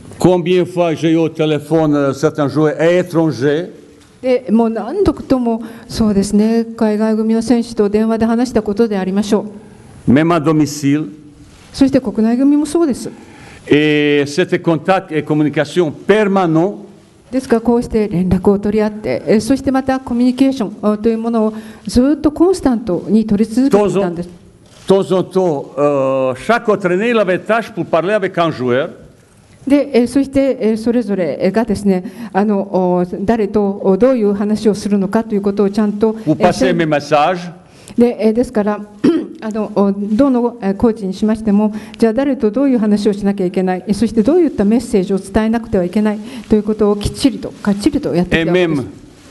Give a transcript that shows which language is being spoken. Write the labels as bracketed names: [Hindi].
[French] Combien fois j'ai eu au téléphone certains joueurs étrangers。 [Japanese] で、もう何度とも、そうですね、海外組の選手と電話で話したことでありましょう。 [French] Même à domicile。 [Japanese] そして国内組もそうです。 [French] Et cet contact et communication permanent。 [Japanese] ですからこうして連絡を取り合って、そしてまたコミュニケーションというものをずっとコンスタントに取り続けていたんです。 [French] Temps en temps, chaque entraîneur il avait tâche pour parler avec un joueur。 [Japanese] で、そしてそれぞれがですね、誰とどういう話をするのかということをちゃんと、ですから、どのコーチにしましても、じゃあ誰とどういう話をしなきゃいけない、そしてどういったメッセージを伝えなくてはいけないということをきっちりとかっちりとやってきたわけです。